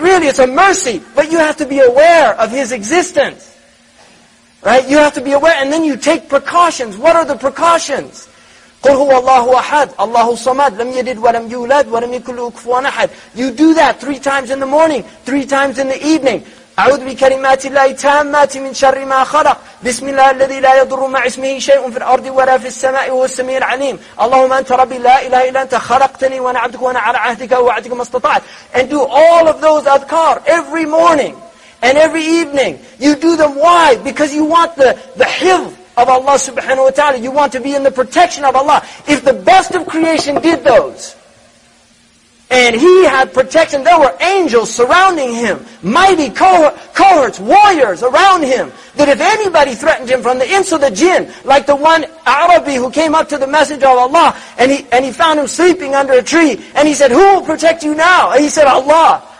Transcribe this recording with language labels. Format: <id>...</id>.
<en>Really, it's a mercy, but you have to be aware of His existence. Right, you have to be aware, and then you take precautions. What are the precautions?</en> <ar>قُلْ هُوَ اللَّهُ أَحَدٌ اللَّهُ الصَّمَدُ لَمْ يَلِدْ وَلَمْ يُولَدْ وَلَمْ يَكُنْ لَهُ كُفُوًا أَحَدٌ.</ar> <en>You do that 3 times in the morning, 3 times in the evening.</en> <ar>أعوذ بكلمات الله التامات من شر ما خلق بسم الله الذي لا يضر مع اسمه شيء في الأرض ولا في السماء وهو السميع العليم. اللهم أنت ربي لا إله إلا أنت خلقتني وأنا عبدك وأنا على عهدك ووعدك ما استطعت.</ar> <en>And do all of those adhkar every morning. And every evening, you do them. Why? Because you want the hifz of Allah subhanahu wa ta'ala. You want to be in the protection of Allah. If the best of creation did those, and He had protection, there were angels surrounding Him, mighty cohorts, warriors around Him, that if anybody threatened Him from the ins or the jinn, like the one Arabi who came up to the Messenger of Allah, and he found Him sleeping under a tree, and he said, "Who will protect you now?" And he said, "Allah."</en>